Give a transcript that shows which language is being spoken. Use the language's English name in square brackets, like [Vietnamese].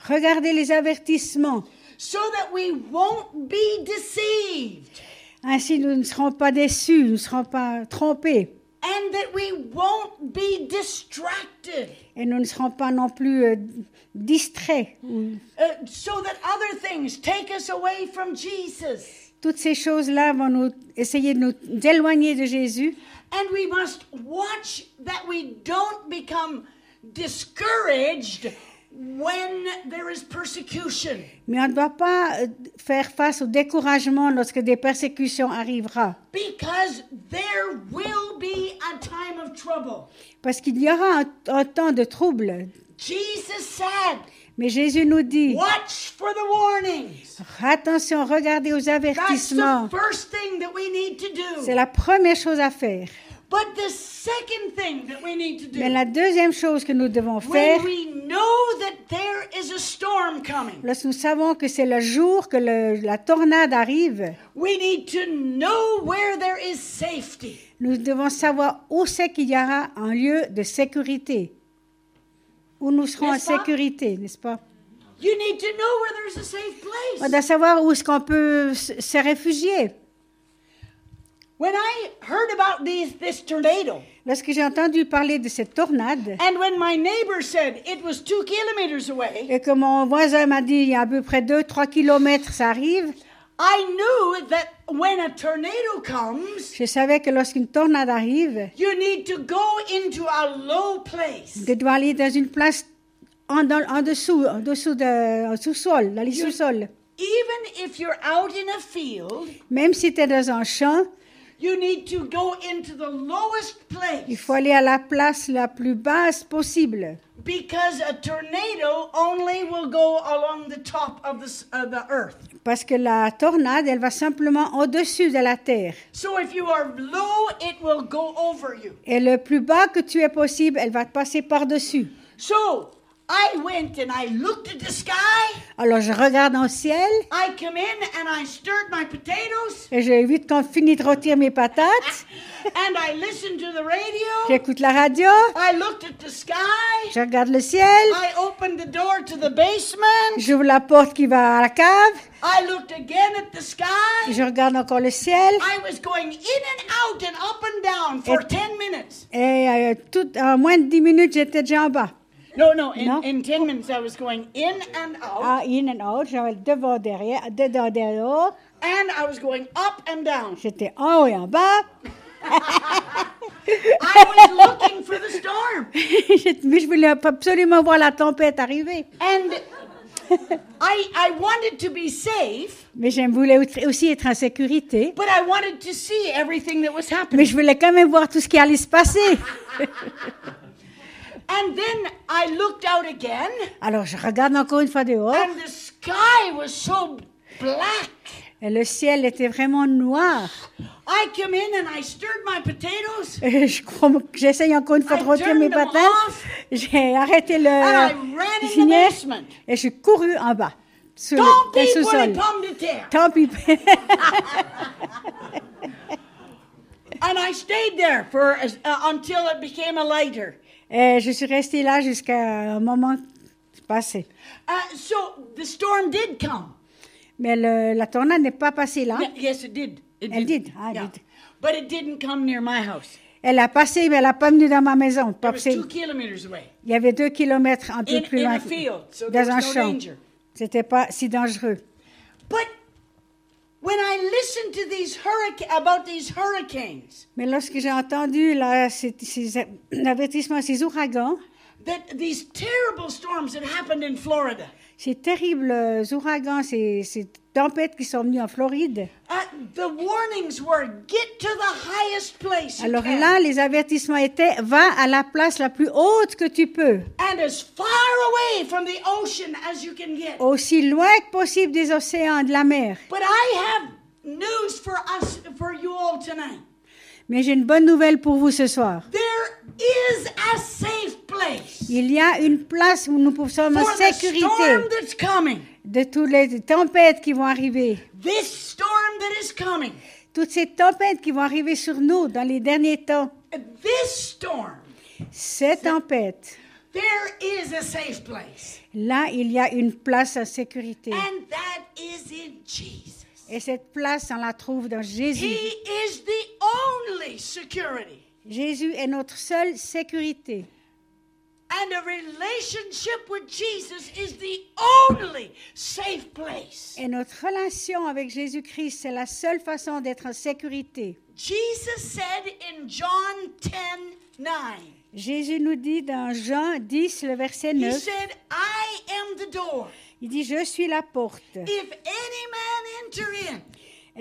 [French] Regardez les avertissements. [English] So that we won't be deceived. [French] Ainsi nous ne serons pas déçus, nous ne serons pas trompés. [English] And that we won't be distracted. [French] Et nous ne serons pas non plus distraits. [English] So that other things take us away from Jesus. [French] Toutes ces choses-là vont nous essayer de nous éloigner de Jésus. [English] And we must watch that we don't become discouraged when there is persecution. [French] Mais on ne doit pas faire face au découragement lorsque des persécutions arrivera. [English] Because there will be a time of trouble. [French] Parce qu'il y aura un temps de trouble. [English] Jesus said. [French] Mais Jésus nous dit, [English] watch for the warnings. [French] Attention, regardez aux avertissements. [English] That's the first thing that we need to do. [French] C'est la première chose à faire. [English] But the second thing that we need to do. [French] Mais la deuxième chose que nous devons faire, [English] when we know that there is a storm coming. [French] Lorsque nous savons que c'est le jour que la tornade arrive, [English] we need to know where there is safety. [French] Nous devons savoir où c'est qu'il y aura un lieu de sécurité. Où nous serons en sécurité, n'est-ce pas? [English] You need to know where there's a safe place. [French] On doit savoir où est-ce qu'on peut se réfugier. [English] When I heard about this tornado. [French] Lorsque j'ai entendu parler de cette tornade. [English] And when my neighbor said it was 2 kilometers away. [French] Et que mon voisin m'a dit il y a à peu près 2-3 kilomètres ça arrive. [English] I knew that when a tornado comes. [French] Je savais que lorsqu'une tornade arrive. [English] You need to go into a low place. [French] Tu dois aller dans une place en sous-sol, dans les sous-sols. [English] Even if you're out in a field. [French] Même si tu es dans un champ. [English] You need to go into the lowest place. [French] Il faut aller à la place la plus basse possible. [English] Because a tornado only will go along the top of the earth. [French] Parce que la tornade, elle va simplement au-dessus de la terre. [English] So if you are low, it will go over you. [French] Et le plus bas que tu es possible, elle va passer par-dessus. [English] So I went and I looked at the sky. [French] Alors je regarde au ciel. [English] I came in and I stirred my potatoes. [French] Et j'ai vite quand fini de rôtir mes patates. [English] And I listened to the radio. [French] J'écoute la radio. [English] I looked at the sky. [French] Je regarde le ciel. [English] I opened the door to the basement. [French] J'ouvre la porte qui va à la cave. [English] I looked again at the sky. [French] Je regarde encore le ciel. [English] I was going in and out and up and down for 10 minutes. [French] Et en moins de 10 minutes, j'étais déjà en bas. [English] In 10 minutes I was going in and out. In and out, [French] j'avais devant, derrière, dedans, derrière. [English] And I was going up and down. [French] J'étais en haut et en bas. [English] I was looking for the storm. [French] Mais je voulais absolument voir la tempête arriver. [English] And I wanted to be safe. [French] Mais je voulais aussi être en sécurité. [English] But I wanted to see everything that was happening. [French] Mais je voulais quand même voir tout ce qui allait se passer. [English] And then I looked out again. [French] Alors je regarde encore une fois dehors. [English] And the sky was so black. [French] Et le ciel était vraiment noir. [English] I came in and I stirred my potatoes. [French] Et j'essaye encore une fois de rôtir mes patates. J'ai arrêté le cinéma. Et je suis couru en bas. Sur le sous-sol. Tant pis. [English] And I stayed there until it became a lighter. [French] Et je suis restée là jusqu'à un moment passé. [English] So the storm did come. [French] Mais la tornade n'est pas passée là. [English] Yes, it did. It did. But it didn't come near my house. [French] Elle a passé, mais elle n'a pas venu dans ma maison. [English] It was 2 kilometers away. [French] Il y avait 2 kilomètres un peu plus loin. [English] In a field, so [French] dans un [English] no [French] champ. [English] Danger. [French] C'était pas si dangereux. [English] But when I listened to these about these hurricanes, [French] mais lorsque j'ai entendu là ces avertissements, ces ouragans, [English] that these terrible storms that happened in Florida, [French] ces terribles ouragans, ces tempêtes qui sont venues en Floride, [English] the warnings were get to the highest place. [French] Alors [English] you can. [French] Là, les avertissements étaient va à la place la plus haute que tu peux, [English] and as far away from the ocean as you can get, [French] aussi loin que possible des océans, de la mer. [English] But I have news for us, for you all tonight. [French] Mais j'ai une bonne nouvelle pour vous ce soir. [English] There is a safe place. [French] Il y a une place où nous sommes en sécurité. [English] For the storm that's coming. [French] De toutes les tempêtes qui vont arriver. [English] This storm that is coming. [French] Toutes ces tempêtes qui vont arriver sur nous dans les derniers temps. [English] This storm. [French] Cette tempête. [English] There is a safe place. [French] Là, il y a une place en sécurité. [English] And that is in Jesus. [French] Et cette place, on la trouve dans Jésus. [English] He is the only security. [French] Jésus est notre seule sécurité. [English] And a relationship with Jesus is the only safe place. [French] Et notre relation avec Jésus-Christ, c'est la seule façon d'être en sécurité. [English] Jesus said in John 10, 9. [French] Jésus nous dit dans Jean 10, le verset 9. [English] He said, I am the door. [French] Il dit, je suis la porte. [English] If any man enter in,